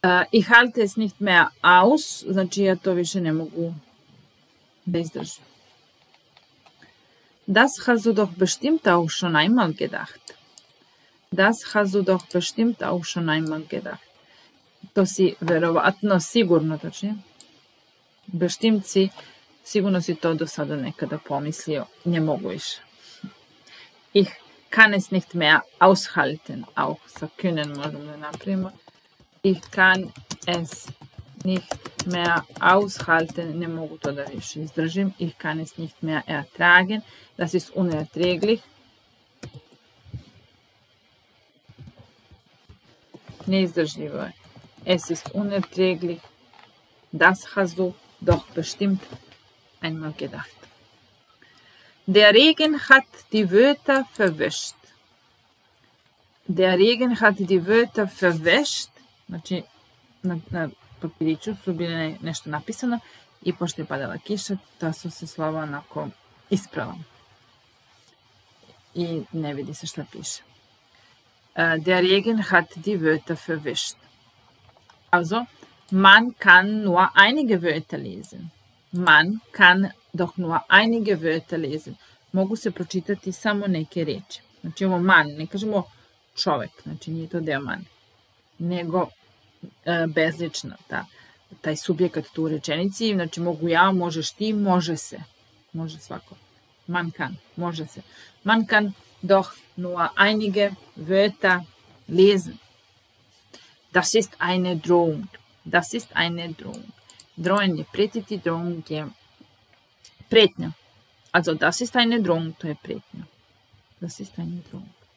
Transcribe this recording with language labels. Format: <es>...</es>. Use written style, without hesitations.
<de>Ich halte es nicht mehr aus,</de> <sr>znači ja to više ne mogu da izdržim.</sr> <de>Das hast du doch bestimmt auch schon einmal gedacht. Das hast du doch bestimmt auch schon einmal gedacht.</de> <sr>To si verovatno sigurno, znači, bestimmt si, sigurno si to do sada nekada pomislio, ne mogu više.</sr> <de>Ich kann es nicht mehr aushalten, auch sa können</de> <sr>možemo da napravimo.</sr> <de>Ich kann es nicht mehr aushalten.</de> <sr>Ne mogu to da više izdržim.</sr> <de>Ich kann es nicht mehr ertragen. Das ist unerträglich.</de> <sr>Ne izdrživo je.</sr> <de>Es ist unerträglich. Das hast du doch bestimmt einmal gedacht. Der Regen hat die Wörter verwischt. Der Regen hat die Wörter verwischt.</de> <sr>Znači, na papiriću su bile nešto napisano i pošto je padala kiša, ta su se slova onako isprala. I ne vidi se šta piše.</sr> <de>Der Regen hat die Wörter verwischt. Also, man kann nur einige Wörter lesen. Man kann doch nur einige Wörter lesen.</de> <sr>Mogu se pročitati samo neke reči. Znači, imamo man, ne kažemo čovek, znači nije to deo man, nego bezlično, taj subjekat tu u rečenici. Znači, mogu ja, možeš ti, može se. Može svako. Man kann, može se.</sr> <de>Man kann doch nur einige Wörter lesen. Das ist eine Drohung. Das ist eine Drohung.</de> <sr>Drohen je pretiti, Drohung je pretnja.</sr> <de>Also, das ist eine Drohung,</de> <sr>to je pretnja.</sr> <de>Das ist eine Drohung.</de>